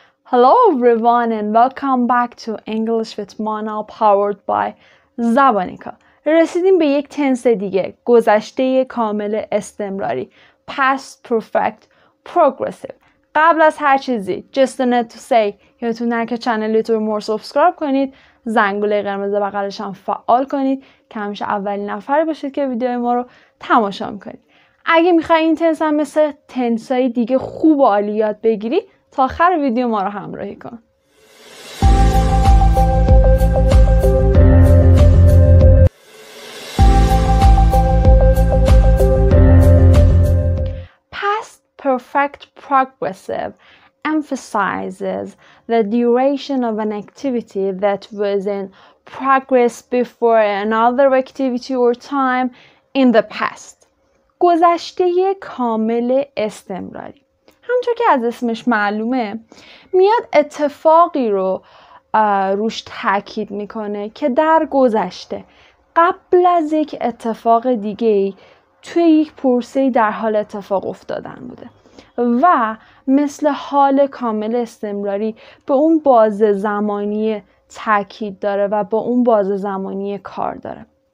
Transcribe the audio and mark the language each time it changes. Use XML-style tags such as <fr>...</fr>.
<en>Hello everyone and welcome back to English with Mana powered by زبانیکا.</en> <fa>رسیدیم به یک تنس دیگه، گذشته کامل استمراری، past perfect progressive. قبل از هر چیزی</fa> <en>just a note to say</en> <fa>یادتون نره که چنل یوتیوب مور سابسکرایب کنید، زنگوله قرمز بغلش هم فعال کنید که همیشه اولین نفر باشید که ویدیوی ما رو تماشا میکنید. اگه میخوای این تنس هم مثل تنسای دیگه خوب و عالی یاد بگیری، تا آخر ویدیو ما رو همراهی کن.</fa> <en>Past perfect progressive emphasizes the duration of an activity that was in progress before another activity or time in the past.</en> <fa>گذشته کامل استمراری، همونطور که از اسمش معلومه، میاد اتفاقی رو روش تاکید میکنه که در گذشته قبل از یک اتفاق دیگه توی یک پروسه در حال اتفاق افتادن بوده و مثل حال کامل استمراری به اون باز زمانی تاکید داره و به اون باز زمانی کار داره</fa>